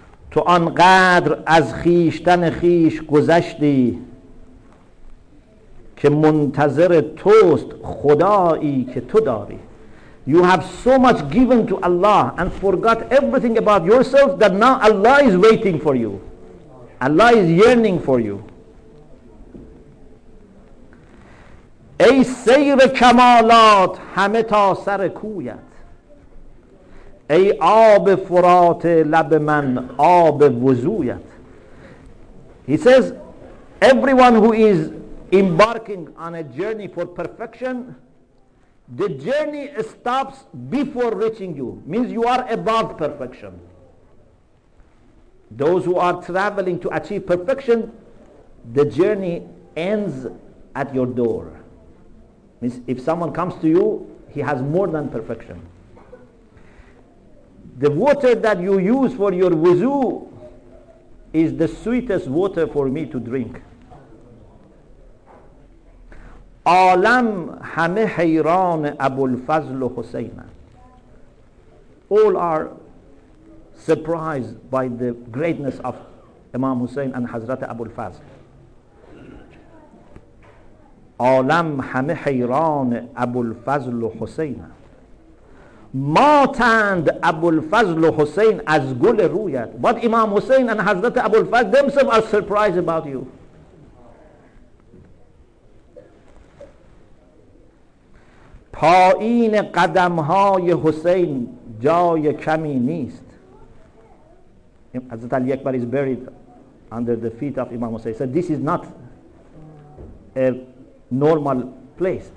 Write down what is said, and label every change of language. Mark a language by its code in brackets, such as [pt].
[fa] تو انقدر از خیشتن خیش گذشتی که منتظر توست خدایی که تو داری. [en] You have so much given to Allah and forgot everything about yourself that now Allah is waiting for you. Allah is yearning for you. [fa] ای سیر کمالات همه تا سر کویت. ای آب فرات لب من آب وضویت. [en] He says, everyone who is embarking on a journey for perfection, the journey stops before reaching you. Means you are above perfection. Those who are traveling to achieve perfection, the journey ends at your door. Means if someone comes to you, he has more than perfection. The water that you use for your wuzu is the sweetest water for me to drink. [fa] عالم همه حیران ابوالفضل و حسین. [en] All are surprised by the greatness of Imam Hussein and Hazrat Abolfazl. [fa] عالم همه حیران ابوالفضل و حسین. ماتند ابوالفضل و حسین از گل رویت. [en] But Imam Hussein and Hazrat Abolfazl themselves are surprised about you. [fa] پایین قدم های حسین جای کمی نیست. [en] Hazrat Ali Akbar is buried under the feet of Imam Hussein. So this is not a normal place.